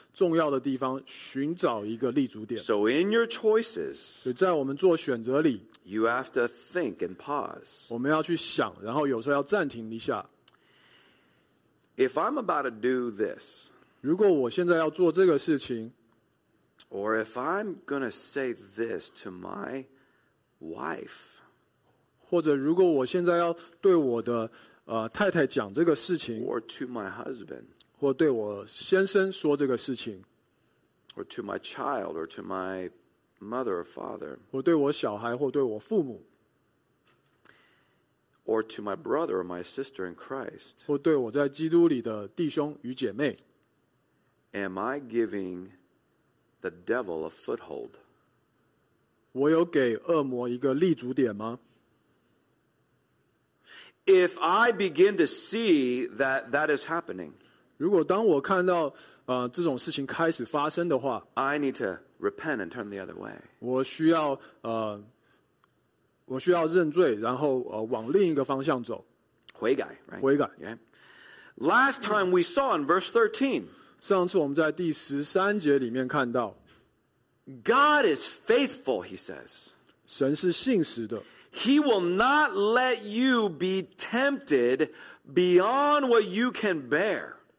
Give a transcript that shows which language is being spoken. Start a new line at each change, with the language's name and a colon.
Chinese: 我们的敌人特别专注在这几个重要的地方寻找一个立足点
English: So in your choices
Chinese: 在我们做选择里
English: You have to think and pause.
Chinese: 我们要去想, 然后有时候要暂停一下。
English: If I'm about to do this,
Chinese: 如果我现在要做这个事情,
English: or if I'm going to say this to my wife,
Chinese: 或者如果我现在要对我的, 太太讲这个事情,
English: or to my husband,
Chinese: 或对我先生说这个事情,
English: or to my child, or to my mother or father,
Chinese: 或对我小孩或对我父母,
English: or to my brother or my sister in Christ,
Chinese: 或对我在基督里的弟兄与姐妹,
English: am I giving the devil a foothold?
Chinese: 我有给恶魔一个立足点吗?
English: If I begin to see that that is happening,
Chinese: 如果当我看到, 这种事情开始发生的话,
English: I need to repent and turn the other way.
Chinese: 我需要认罪, 然后, 往另一个方向走。悔改,
English: right?
Chinese: 悔改。
English: Yeah. Last time we saw in verse 13,
Chinese: 上次我们在第13节里面看到,
English: God is faithful, he says.
Chinese: 神是信实的。
English: He will not let you be tempted beyond what you can bear.